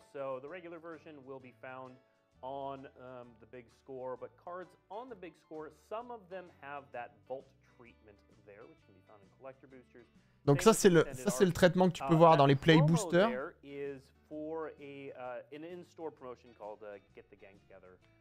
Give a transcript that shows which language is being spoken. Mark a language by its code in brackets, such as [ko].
[en] So the regular version will be found on the big score, but cards on the big score, some of them have that vault treatment there, which can be found in collector boosters. [fr] Donc ça c'est le traitement que tu peux voir dans les play boosters. [en] There is for an in-store promotion called Get the Gang Together.